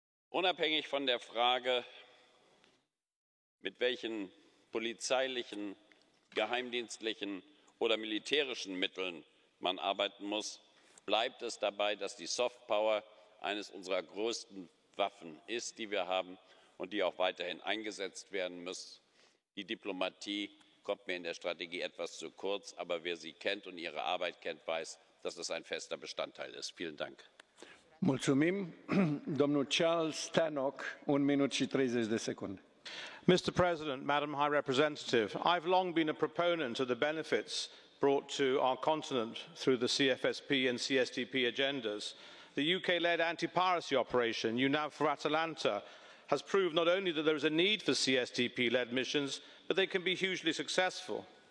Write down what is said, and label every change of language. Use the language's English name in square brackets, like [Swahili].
[German] Unabhängig von der Frage, mit welchen polizeilichen, geheimdienstlichen oder militärischen Mitteln man arbeiten muss, bleibt es dabei, dass die Softpower eines unserer größten Waffen ist, die wir haben und die auch weiterhin eingesetzt werden muss. Die Diplomatie kommt mir in der Strategie etwas zu kurz, aber wer sie kennt und ihre Arbeit kennt, weiß, dass es ein fester Bestandteil ist. Vielen Dank. [Romanian] Mulțumim. Domnul Charles Tannock, 1 minute și 30 de secunde. [English] Mr. President, Madam High Representative, I've long been a proponent of the benefits brought to our continent through the CFSP and CSDP agendas. The UK-led anti-piracy operation, EUNAVFOR Atalanta, has proved not only that there is a need for CSDP-led missions, but they can be hugely successful.